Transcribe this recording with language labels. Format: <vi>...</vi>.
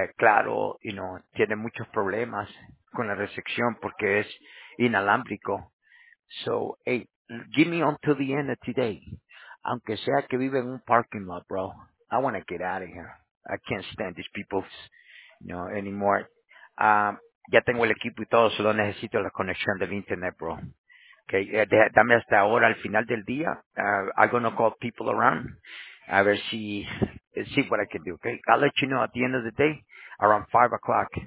<es>Claro,</es> <en>you know,</en> <es>tiene muchos problemas con la recepción porque es inalámbrico.</es> <en>So, hey, give me until the end of today.</en> <es>Aunque sea que vive en un</es> <en>parking lot, bro. I want to get out of here. I can't stand these people, you know, anymore.</en> <es>Ya tengo el equipo y todo, solo necesito la conexión del internet, bro. Okay, dame hasta ahora, al final del día.</es> <en>I'm going to call people around.</en> <es>A ver si,</es> <en>see what I can do, okay? I'll let you know at the end of the day, around 5 o'clock.</en>